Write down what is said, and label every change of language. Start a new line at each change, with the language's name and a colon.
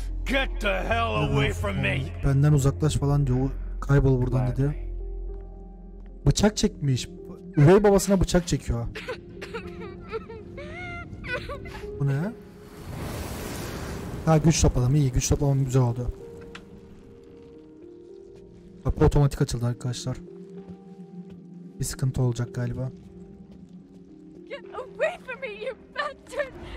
English: Get the hell away from me.
Turkish: Benden uzaklaş falan diyor. Kaybol buradan dedi. Bıçak çekmiş. Üvey babasına bıçak çekiyor. Bu ne? Ha, güç toplamı iyi. Güç toplamam güzel oldu. Kapı otomatik açıldı arkadaşlar. Bir sıkıntı olacak galiba.
English: Get away from me, you bastard!